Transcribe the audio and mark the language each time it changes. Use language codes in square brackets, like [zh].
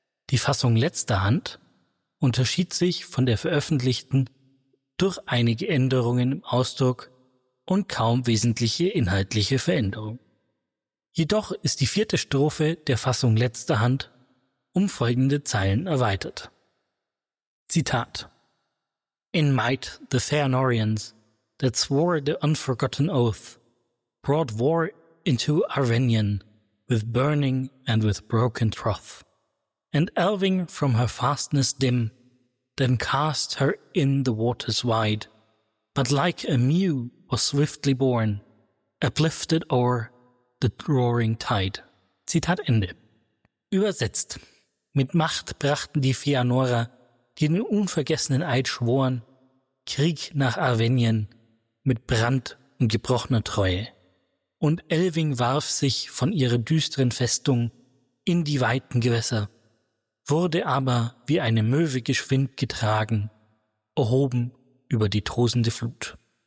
[de] Die Fassung letzter Hand unterschied sich von der veröffentlichten durch einige Änderungen im Ausdruck und kaum wesentliche inhaltliche Veränderung. Jedoch ist die vierte Strophe der Fassung letzter Hand um folgende Zeilen erweitert. Zitat: [en] In might the Fëanorians that swore the unforgotten oath brought war into Arwenion with burning and with broken troth. And Elving from her fastness dim then cast her in the waters wide, but like a mew was swiftly born, uplifted o'er the roaring tide. [de] Zitat Ende. Übersetzt: Mit Macht brachten die Fëanora, die den unvergessenen Eid schworen, Krieg nach Arwenien mit Brand und gebrochener Treue. Und Elving warf sich von ihrer düsteren Festung in die weiten Gewässer, wurde aber wie eine Möwe geschwind getragen, erhoben über die tosende Flut.